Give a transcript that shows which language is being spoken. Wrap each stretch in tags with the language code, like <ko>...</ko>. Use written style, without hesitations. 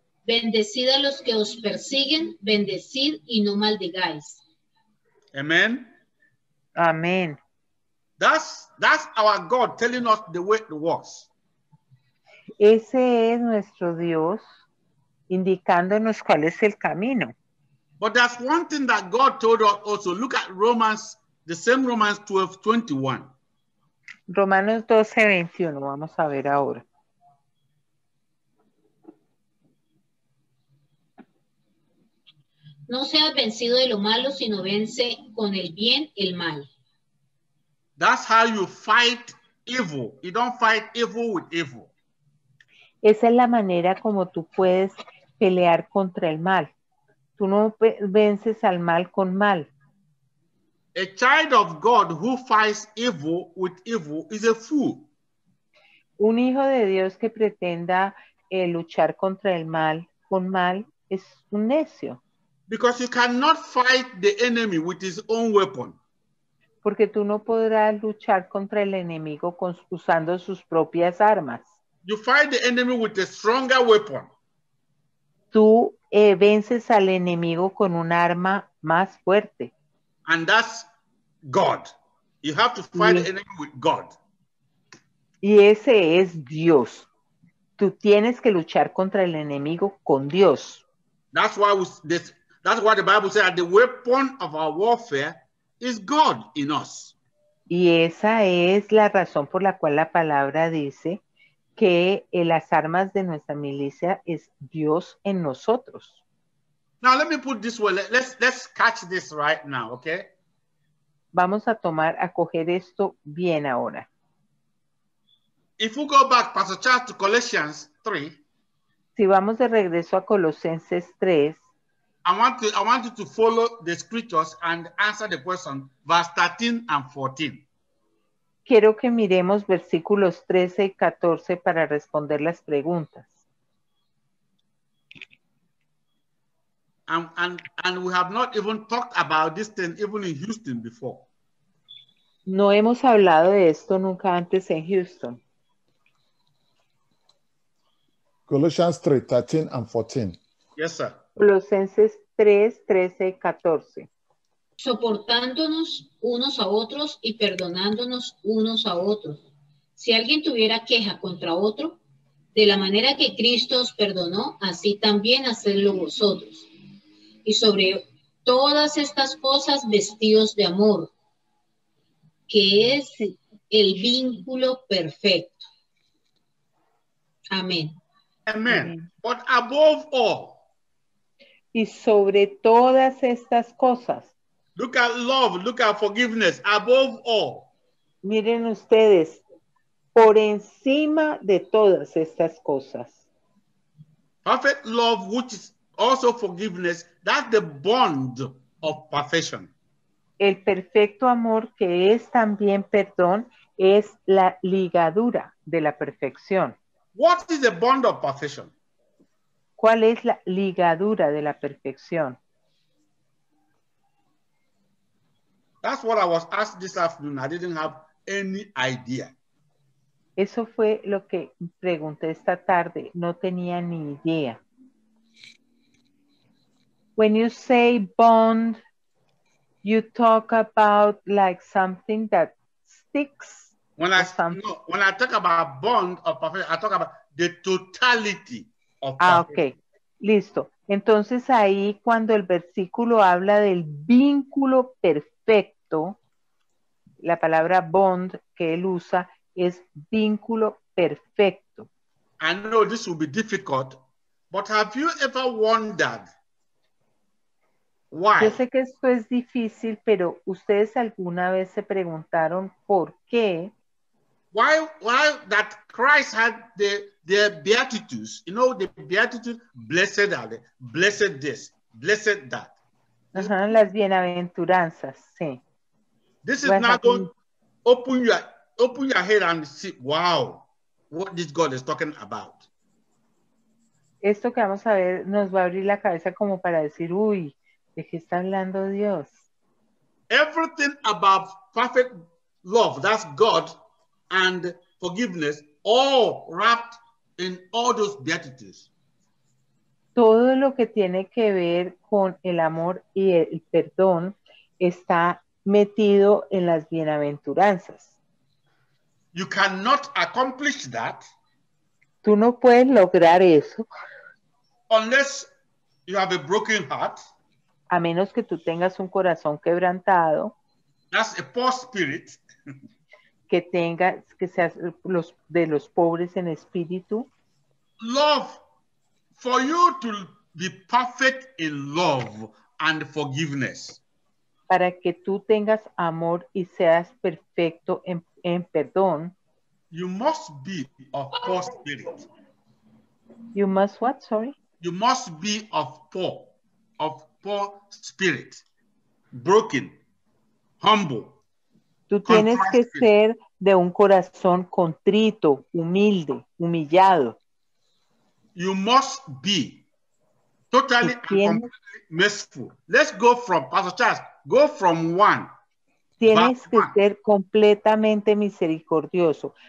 <es>Bendecid a los que os persiguen, bendecid y no maldigáis.</es> <en>Amen. Amen. That's our God telling us the way it was.</en> <es>Ese es nuestro Dios indicándonos cuál es el camino.</es> <en>But there's one thing that God told us also. Look at Romans, the same Romans 12:21.</en> <es>Romanos 12, 21. Vamos a ver ahora. No seas vencido de lo malo, sino vence con el bien el mal.</es> <en>That's how you fight evil. You don't fight evil with evil.</en> <es>Esa es la manera como tú puedes pelear contra el mal. Tú no vences al mal con mal.</es> <en>A child of God who fights evil with evil is a fool.</en> <es>Un hijo de Dios que pretenda luchar contra el mal con mal es un necio.</es> <en>Because you cannot fight the enemy with his own weapon.</en> <es>Porque tú no podrás luchar contra el enemigo usando sus propias armas.</es> <en>You fight the enemy with a stronger weapon.</en> <es>Tú vences al enemigo con un arma más fuerte.</es> <en>And that's God. You have to fight the enemy with God.</en> <es>Y ese es Dios. Tú tienes que luchar contra el enemigo con Dios.</es> <en>That's why the Bible says that the weapon of our warfare is God in us.</en> <es>Y esa es la razón por la cual la palabra dice que las armas de nuestra milicia es Dios en nosotros.</es> <en>Now let me put this way. Let's catch this right now, okay?</en> <es>Vamos a tomar, a coger esto bien ahora.</es> <en>If we go back, Pastor Charles, to Colossians 3.</en> <es>Si vamos de regreso a Colosenses 3.</es> <en>I want you to follow the scriptures and answer the question, verse 13 and 14.</en> <es>Quiero que miremos versículos 13 y 14 para responder las preguntas.</es> <en>And we have not even talked about this thing even in Houston before.</en> <es>No hemos hablado de esto nunca antes en Houston.</es> <en>Colossians 3, 13 and 14. Yes, sir.</en> <es>Colosenses 3, 13 y 14. Soportándonos unos a otros y perdonándonos unos a otros. Si alguien tuviera queja contra otro, de la manera que Cristo os perdonó, así también hacedlo vosotros. Y sobre todas estas cosas, vestidos de amor, que es el vínculo perfecto. Amén.</es> <en>Amén. But above all.</en> <es>Y sobre todas estas cosas.</es> <en>Look at love, look at forgiveness, above all.</en> <es>Miren ustedes, por encima de todas estas cosas.</es> <en>Perfect love, which is also forgiveness, that's the bond of perfection.</en> <es>El perfecto amor, que es también perdón, es la ligadura de la perfección.</es> <en>What is the bond of perfection?</en> <es>¿Cuál es la ligadura de la perfección?</es> <en>That's what I was asked this afternoon. I didn't have any idea.</en> <es>Eso fue lo que pregunté esta tarde. No tenía ni idea.</es> <en>When you say bond, you talk about like something that sticks. When I talk about bond of perfection, I talk about the totality of perfection. Okay. Listo.</en> <es>Entonces ahí cuando el versículo habla del vínculo perfecto, la palabra bond que él usa es vínculo perfecto.</es> <en>I know this will be difficult, but have you ever wondered why?</en> <es>Yo sé que esto es difícil, pero ¿ustedes alguna vez se preguntaron por qué?</es> <en>Why that Christ had the beatitudes, you know, the beatitudes, blessed are they, blessed this, blessed that.</en> <es>Uh-huh, las bienaventuranzas, sí.</es> <en>This is not going to open your head and see, wow, what this God is talking about.</en> <es>Esto que vamos a ver nos va a abrir la cabeza como para decir, uy, ¿de qué está hablando Dios?</es> <en>Everything about perfect love, that's God and forgiveness, all wrapped in all those beatitudes.</en> <es>Todo lo que tiene que ver con el amor y el perdón está metido en las bienaventuranzas.</es> <en>You cannot accomplish that.</en> <es>Tú no puedes lograr eso.</es> <en>Unless you have a broken heart.</en> <es>A menos que tú tengas un corazón quebrantado.</es> <en>That's a poor spirit.</en> <es>que tenga, que seas los de los pobres en espíritu.</es> <en>Love, for you to be perfect in love and forgiveness.</en> <es>Para que tú tengas amor y seas perfecto en perdón.</es> <en>You must be of poor spirit. You must what, sorry? You must be of poor spirit, broken, humble.</en> <es>Tú tienes que ser de un corazón contrito, humilde, humillado.</es> <en>You must be totally and completely merciful. Let's go from Pastor Charles. Go from one.</en> <es>Tienes que ser completamente misericordioso.</es>